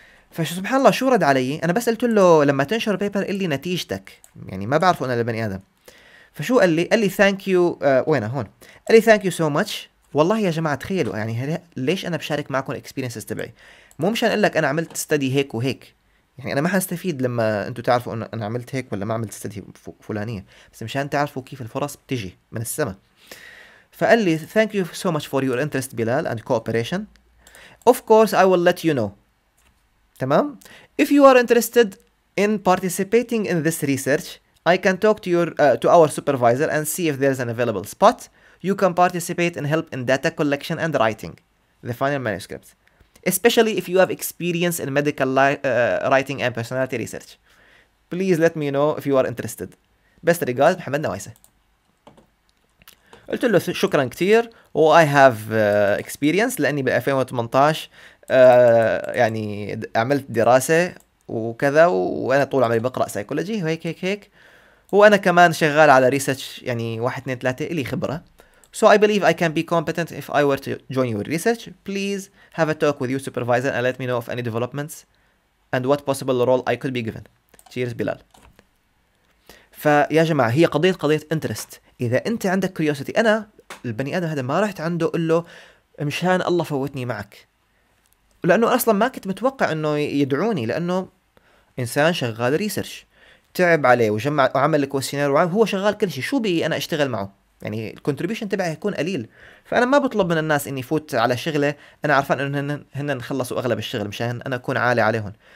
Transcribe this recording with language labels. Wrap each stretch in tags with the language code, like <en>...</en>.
<ar>فسبحان الله شو رد علي، انا بس قلت له لما تنشر بيبر قل لي نتيجتك، يعني ما بعرفه انا لبني ادم، فشو قال لي، قال لي ثانك يو وينه هون، قال لي</ar> <en>thank you so much,</en> <ar>والله يا جماعه تخيلوا يعني ليش انا بشارك معكم الاكسبيرينسز تبعي، مو مشان اقول لك انا عملت ستدي هيك وهيك، يعني انا ما هستفيد لما انتم تعرفوا انه انا عملت هيك ولا ما عملت ستدي فلانيه، بس مشان تعرفوا كيف الفرص بتجي من السماء. فقال لي</ar> <en>thank you so much for your interest بلال and cooperation, of course I will let you know</en> <ar>تمام.</ar> <en>If you are interested in participating in this research, I can talk to your to our supervisor and see if there is an available spot. You can participate and help in data collection and writing the final manuscript, especially if you have experience in medical writing and personality research. Please let me know if you are interested. Best regards, محمد نوايسة.</en> <ar>قلت له شكرا كتير و</ar> <en>I have experience</en> <ar>لأني بال 2018 يعني عملت دراسة وكذا، وأنا طول عمري بقرأ سايكولوجي وهيك هيك هيك، وأنا كمان شغال على ريسيرش يعني 1-2-3 إلي خبرة،</ar> <en>so I believe I can be competent if I were to join your research. Please have a talk with your supervisor and let me know of any developments and what possible role I could be given. Cheers بلال.</en> <ar>فيا جماعة هي قضية interest، إذا أنت عندك curiosity، أنا البني آدم هذا ما رحت عنده قل له مشان الله فوتني معك، لأنه أصلا ما كنت متوقع أنه يدعوني، لأنه إنسان شغال ريسيرش تعب عليه وجمع وعمل الكوستينير وهو شغال كل شيء، شو بي أنا أشتغل معه؟ يعني الكونتريبيشن تبعي هيكون قليل، فأنا ما بطلب من الناس إني فوت على شغلة أنا عارفان إنه هن نخلصوا أغلب الشغل مشان أنا أكون عالي عليهم.</ar>